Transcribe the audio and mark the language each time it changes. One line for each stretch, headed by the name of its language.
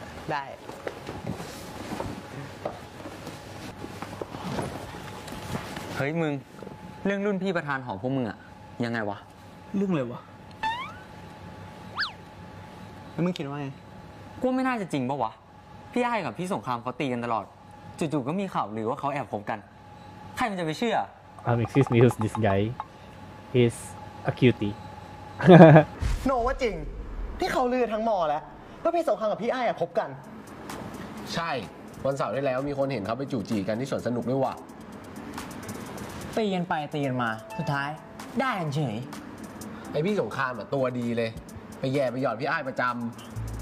Thai: ได้เฮ้ยมึงเรื่องรุ่นพี่ประธานหอพวกมึงอะยังไงวะ เรื่องอะไรวะ แล้วมึงคิดว่าไง กูไม่น่าจะจริงป่ะวะพี่ไอ้กับพี่สงครามเขาตีกันตลอดจู่ๆก็มีข่าวหรือว่าเขาแอบคบกันใครมันจะไปเชื่อ
English: I'm excuse me who's this guy he's a cutie
Thai: โน้ว่าจริงที่เขาลือทั้งหมอแล้วว่าพี่สงครามกับพี่ไอ้อ่ะคบกัน ใช่วันเสาร์ที่แล้วมีคนเห็นเขาไปจู่จีกันที่สวนสนุกด้วยว่ะ ตีกันไปตีกันมาสุดท้ายได้กันเฉย ไอพี่สงครามอ่ะตัวดีเลยไปแย่ไปหยอดพี่ไอ้ประจำ